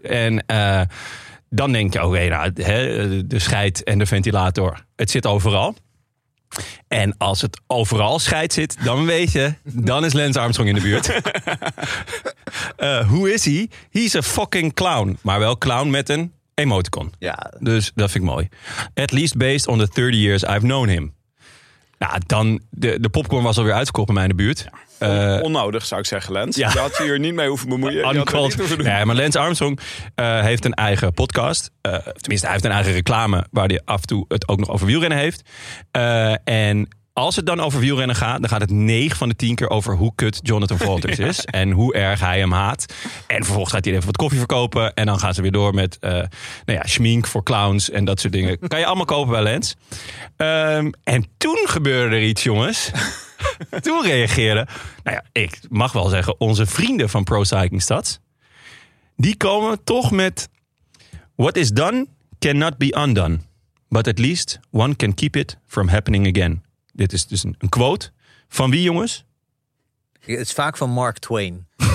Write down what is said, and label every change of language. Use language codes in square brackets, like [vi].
[nl] En dan denk je, oké, nou, hè, de scheid en de ventilator. Het zit overal. En als het overal scheid zit, dan weet je, dan is Lance Armstrong in de buurt. Hoe is hij? [en] He's a fucking clown. [nl] Maar wel clown met een emoticon. Ja. Dus dat vind ik mooi. [en] At least based on the 30 years I've known him. [nl] Nou, dan de popcorn was alweer uitverkocht bij mij in de buurt. Ja, onnodig, zou ik zeggen, Lance. Ja. Je had hier niet mee hoeven bemoeien. [en] Uncalled. [nl] Nee, maar Lance Armstrong heeft een eigen podcast. Tenminste, hij heeft een eigen reclame waar hij af en toe het ook nog over wielrennen heeft. En als het dan over wielrennen gaat, dan gaat het 9 van de 10 keer over hoe kut Jonathan Vaughters ja. is. En hoe erg hij hem haat. En vervolgens gaat hij even wat koffie verkopen. En dan gaan ze weer door met nou ja, schmink voor clowns en dat soort dingen. Kan je allemaal kopen bij Lens. En toen gebeurde er iets, jongens. Toen reageerde, nou ja, ik mag wel zeggen, onze vrienden van Pro Cycling Stats. Die komen toch met, [en] what is done cannot be undone. But at least one can keep it from happening again. [nl] Dit is dus een quote. Van wie, jongens? Het is vaak van Mark Twain.